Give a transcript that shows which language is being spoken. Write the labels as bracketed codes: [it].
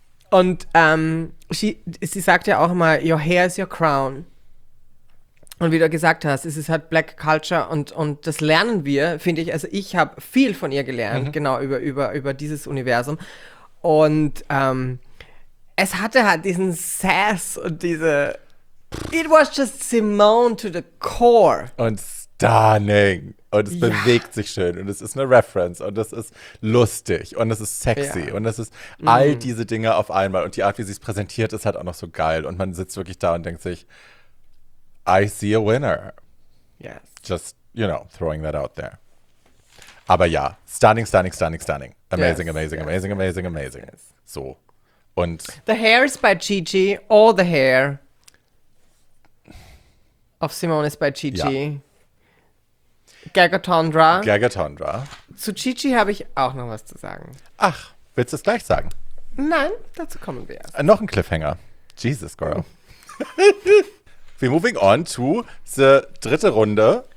[de] Und sie sagt ja auch immer, [en] your hair is your crown. [de] Und wie du gesagt hast, es ist halt Black Culture und das lernen wir, finde ich. Also ich habe viel von ihr gelernt, genau, über dieses Universum. Und es hatte halt diesen Sass und diese... [en] It was just Simone to the core. [de] Und stunning. Und es bewegt sich schön. Und es ist eine Reference. Und es ist lustig. Und es ist sexy. Ja. Und es ist all diese Dinge auf einmal. Und die Art, wie sie es präsentiert, ist halt auch noch so geil. Und man sitzt wirklich da und denkt sich... [en] I see a winner. Yes. Just, you know, throwing that out there. [de] Aber ja, [en] stunning, stunning, stunning, stunning. Amazing, yes, amazing, yes, amazing, yes, amazing, amazing, yes, amazing. Yes. So. Und. The hair is by Gigi. All the hair of Simone is by Gigi. [de] Ja. Gagatondra. Gagatondra. Zu Gigi habe ich auch noch was zu sagen. Ach, willst du es gleich sagen? Nein, dazu kommen wir erst. Noch ein Cliffhanger. [en] Jesus, girl. We're moving on to the dritte Runde.